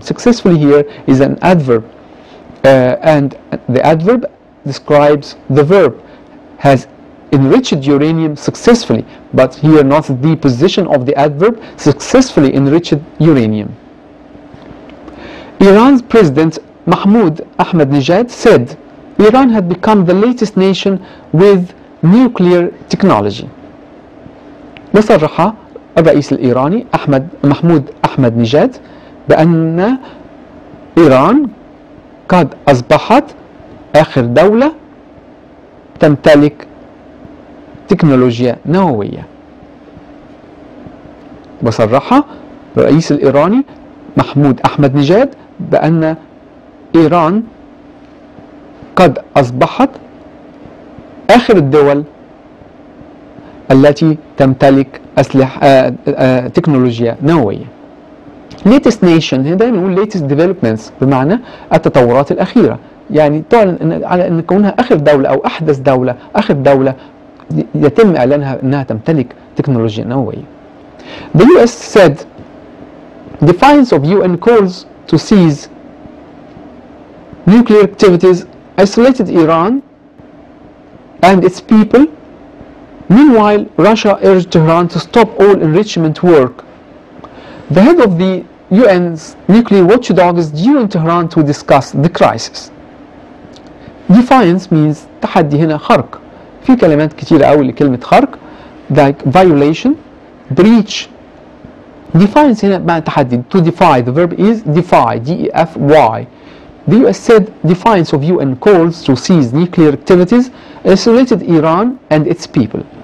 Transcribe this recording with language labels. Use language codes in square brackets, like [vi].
[en] Successfully here is an adverb. And the adverb describes the verb, has enriched uranium successfully, but here not the position of the adverb, successfully enriched uranium. Iran's president Mahmoud Ahmadinejad said Iran had become the latest nation with nuclear technology. [ar] وصرح الرئيس الإيراني محمود أحمدنيجاد بأن إيران قد أصبحت آخر دولة تمتلك تكنولوجيا نووية. وصرح الرئيس الإيراني محمود أحمدنيجاد بأن إيران قد أصبحت آخر الدول التي تمتلك أسلحة تكنولوجيا نووية. [en] latest nation [ar] هنا دائما نقول [en] latest developments [ar] بمعنى التطورات الأخيرة، يعني تعلن على أن كونها آخر دولة أو أحدث دولة، آخر دولة يتم إعلانها أنها تمتلك تكنولوجيا نووية. [en] The US said defiance of UN calls to cease nuclear activities isolated Iran and its people. Meanwhile, Russia urged Tehran to stop all enrichment work. The head of the UN's nuclear watchdog is due in Tehran to discuss the crisis. Defiance means [ar] تحدي هنا خرق. في كلمات كتير قوي لكلمة خرق [en] like violation, breach. [ar] Defiance هنا بمعنى تحدي. [en] To defy, the verb is defy, D-E-F-Y. The US said defiance of UN calls to cease nuclear activities isolated Iran and its people.